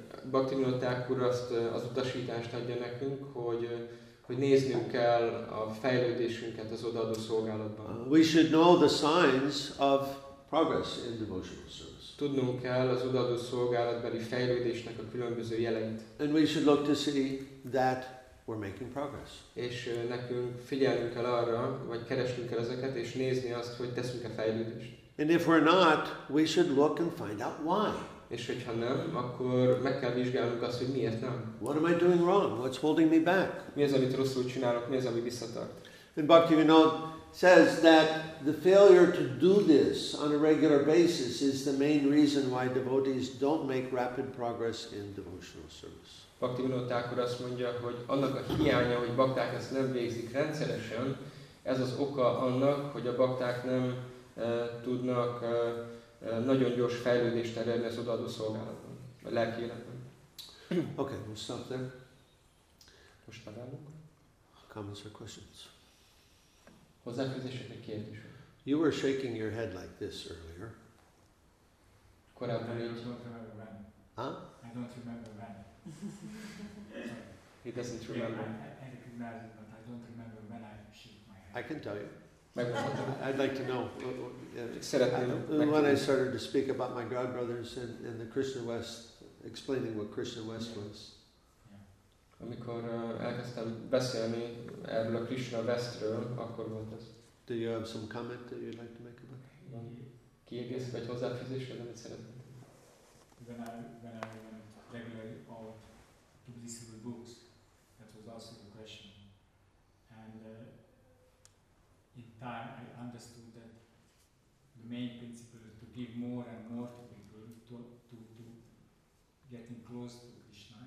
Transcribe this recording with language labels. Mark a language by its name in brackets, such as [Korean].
[Hungarian] Bhaktivinoda Thakur azt az utasítást adja nekünk, hogy néznünk kell a fejlődésünket az odaadó szolgálatban. [English] We should know the signs of progress in devotional service. [Hungarian] Tudnunk kell az odaadó szolgálatbeli fejlődésnek a különböző jeleit. [English] And we should look to see that we're making progress. [Hungarian] És nekünk figyelnünk kell arra, vagy keresnünk kell ezeket, és nézni azt, hogy teszünk-e fejlődést. [English] And if we're not, we should look and find out why. [Hungarian] És hogyha nem, akkor meg kell vizsgálnunk azt, hogy miért nem. [English] What am I doing wrong? What's holding me back? [Hungarian] Mi az, amit rosszul csinálok? Mi az, ami visszatart? [English] And Bhaktivinoda says that the failure to do this on a regular basis is the main reason why devotees don't make rapid progress in devotional service. [Hungarian] Bhaktivinoda Thakur azt mondja, hogy annak a hiánya, hogy bakták ezt nem végzik rendszeresen, ez az oka annak, hogy a bakták nem tudnak nagyon gyors fejlődést elérni az odaadó szolgálatban, a lelki életben. [English] Okay, we'll stop there. [Hungarian] Most megállunk. [English] Comments or questions? [Hungarian] Hozzáfűzések, egy kérdés. [English] You were shaking your head like this earlier. [Hungarian] Korábban [English] I don't remember when. Huh? I don't remember when. He doesn't remember. I recognize it, but I don't remember when I shaved my head. I can tell you. [Hungarian] Megmondtam. [English] I'd like to know. [Hungarian] Szeretném. [English] When I started to speak about my god brothers and the Krishna West, explaining what Krishna West was. [Hungarian] Amikor elkezdtem beszélni erről a Krishna Westről, akkor volt ez. [English] Do you have some comment that you'd like to make about it? [Hungarian] Kiegész vagy hozzáfűzés, vagy amit szeretnéd? [English] When I went regularly out to visible books, that was also the question. And in time I understood that the main principle is to give more and more to people to getting close to Krishna.